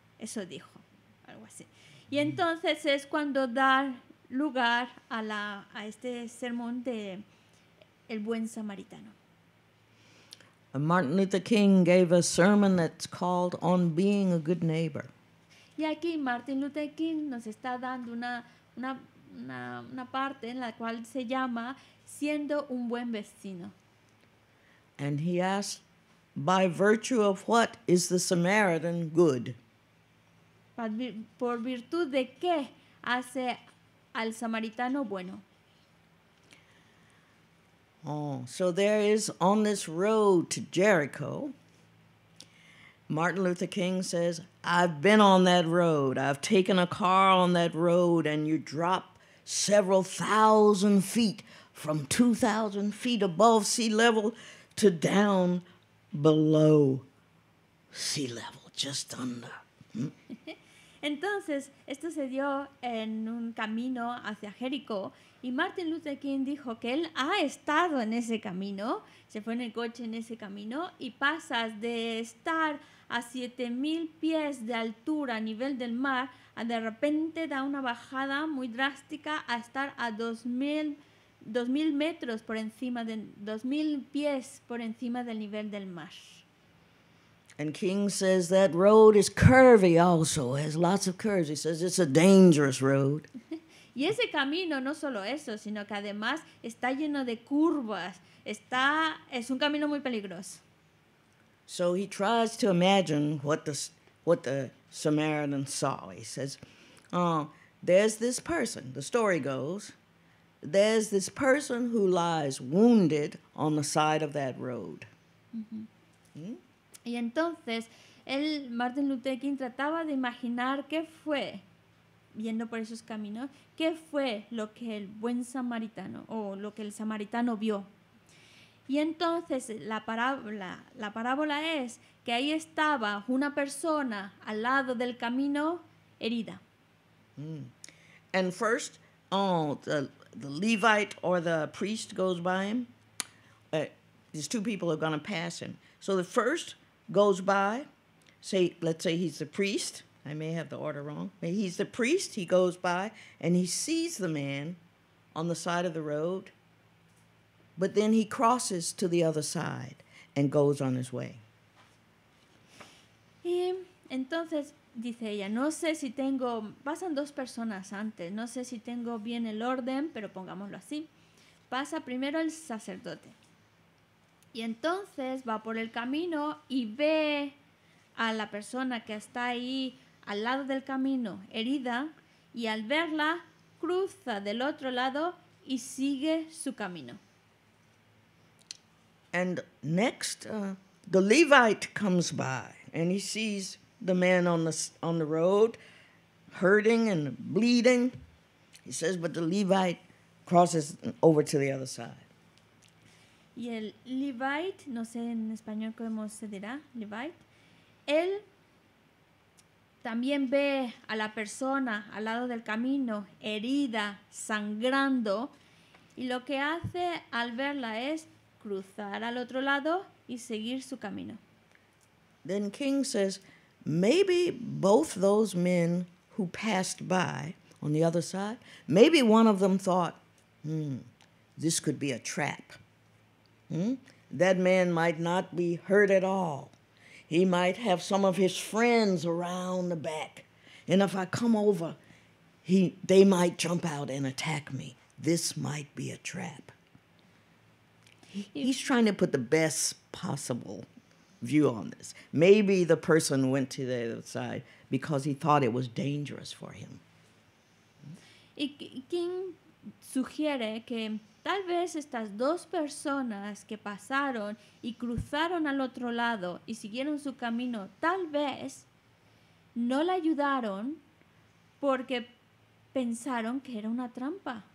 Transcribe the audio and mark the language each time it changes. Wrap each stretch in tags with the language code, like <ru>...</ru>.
<es>Eso dijo, algo así. Y entonces es cuando da lugar a este sermón de el buen samaritano.</es> <en>Martin Luther King gave a sermon that's called On Being a Good Neighbor.</en> <es>Y aquí Martin Luther King nos está dando una parte en la cual se llama Siendo un buen vecino.</es> <en>And he asked, by virtue of what is the Samaritan good?</en> <es>¿Por virtud de qué hace al samaritano bueno?</es> <en>Oh, so there is on this road to Jericho, Martin Luther King says, I've been on that road. I've taken a car on that road, and you drop several thousand feet from 2,000 feet above sea level to down below sea level, just under.</en> <es>Entonces, esto se dio en un camino hacia Jericó, y Martin Luther King dijo que él ha estado en ese camino, se fue en el coche en ese camino, y pasas de estar a 7,000 pies de altura a nivel del mar, a de repente da una bajada muy drástica a estar a 2,000 metros por encima, de 2,000 pies por encima del nivel del mar.</es> <en>And King says that road is curvy also, has lots of curves. He says it's a dangerous road.</en> <es>Y ese camino no solo eso, sino que además está lleno de curvas. Es un camino muy peligroso.</es> <en>So he tries to imagine what the Samaritan saw. He says, there's this person, the story goes, there's this person who lies wounded on the side of that road. Mm-hmm.</en> <es>Y entonces, Martin Luther King trataba de imaginar qué fue, yendo por esos caminos, qué fue lo que el buen samaritano, o lo que el samaritano vio. Y entonces, la parábola es que ahí estaba una persona al lado del camino, herida.</es> <en>And first, the Levite or the priest goes by him. These two people are going to pass him. So the first goes by, let's say he's the priest. I may have the order wrong. He's the priest. He goes by and he sees the man on the side of the road, but then he crosses to the other side and goes on his way.</en> <es>Y entonces dice ella, no sé si tengo, pasan dos personas antes, no sé si tengo bien el orden, pero pongámoslo así. Pasa primero el sacerdote. Y entonces va por el camino y ve a la persona que está ahí al lado del camino, herida, y al verla, cruza del otro lado y sigue su camino.</es> <en>And next, the Levite comes by and he sees the man on the road, hurting and bleeding. He says, but the Levite crosses over to the other side.</en> <es>Y el Levite, no sé en español cómo se dirá, Levite, él también ve a la persona al lado del camino, herida, sangrando, y lo que hace al verla es cruzar al otro lado y seguir su camino.</es> <en>Then King says, maybe both those men who passed by on the other side, maybe one of them thought, this could be a trap. That man might not be hurt at all. He might have some of his friends around the back. And if I come over, they might jump out and attack me. This might be a trap. He's trying to put the best possible view on this. Maybe the person went to the other side because he thought it was dangerous for him.</en> <es>Y King sugiere que tal vez estas dos personas que pasaron y cruzaron al otro lado y siguieron su camino, tal vez no la ayudaron porque pensaron que era una trampa.</es>